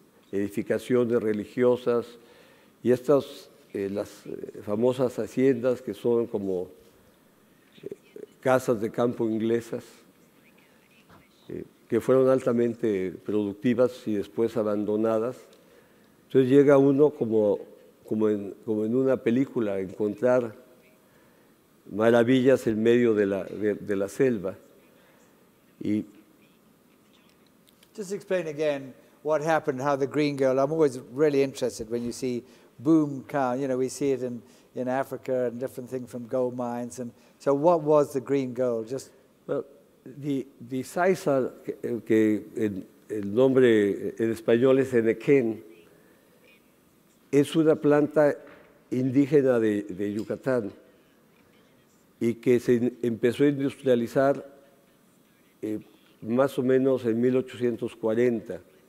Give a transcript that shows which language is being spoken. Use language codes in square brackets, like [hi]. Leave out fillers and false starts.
[es] edificaciones religiosas y estas las famosas haciendas que son como casas de campo inglesas que fueron altamente productivas y después abandonadas. Entonces llega uno como en una película a encontrar maravillas en medio de la selva. Y [en] just explain again what happened, how the green girl, I'm always really interested when you see boom cow, you know, we see it in Africa and different things from gold mines. And so what was the green gold? Just well, the [es] sisal, que el nombre en español es henequén, es una planta indígena de Yucatán y que se empezó a industrializar más o menos en 1840